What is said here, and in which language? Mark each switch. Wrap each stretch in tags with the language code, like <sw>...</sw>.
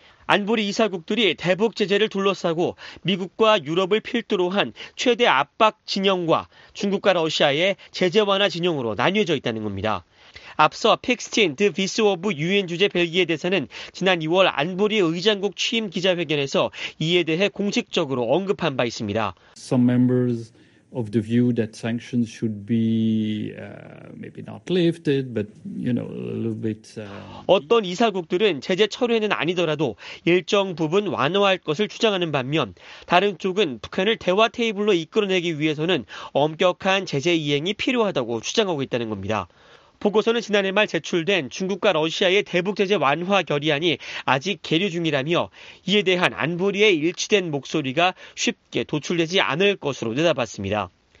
<ko>안보리 이사국들이 대북 제재를 둘러싸고 미국과 유럽을 필두로 한 최대 압박 진영과 중국과 러시아의 제재 완화 진영으로 나뉘어져 있다는 겁니다. 앞서 픽스틴 드 비스 오브 유엔 주재 벨기에 대사는 지난 2월 안보리 의장국 취임 기자회견에서 이에 대해 공식적으로 언급한 바 있습니다.</ko> <en>Some members of the view that sanctions should be maybe not lifted but you know a little bit</en> <ko>어떤 이사국들은 제재 철회는 아니더라도 일정 부분 완화할 것을 주장하는 반면 다른 쪽은 북한을 대화 테이블로 이끌어내기 위해서는 엄격한 제재 이행이 필요하다고 주장하고 있다는 겁니다. 보고서는 지난해 말 제출된 중국과 러시아의 대북 제재 완화 결의안이 아직 계류 중이라며 이에 대한 안보리의 일치된 목소리가 쉽게 도출되지 않을 것으로 내다봤습니다.</ko>